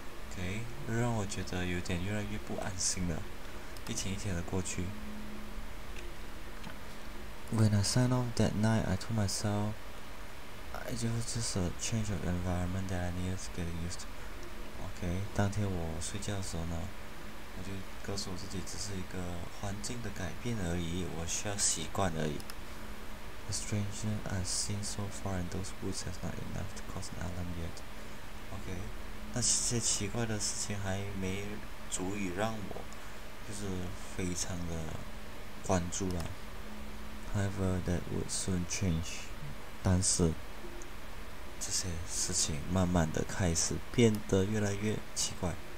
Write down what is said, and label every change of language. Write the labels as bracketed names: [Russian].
[Chinese] OK， 让我觉得有点越来越不安心了。一天一天的过去。 [English] When I signed off that night, I told myself, it was just a change of environment that I needed to get used. [Chinese] OK， 当天我睡觉的时候呢。我就告诉我自己，只是一个环境的改变而已，我需要习惯而已。 [English] The stranger I've seen so far in those woods has not enough to cause an alarm yet. [Chinese] OK， 那些奇怪的事情还没足以让我就是非常的关注啦。 [English] However, that would soon change. [Chinese] 但是这些事情慢慢的开始变得越来越奇怪。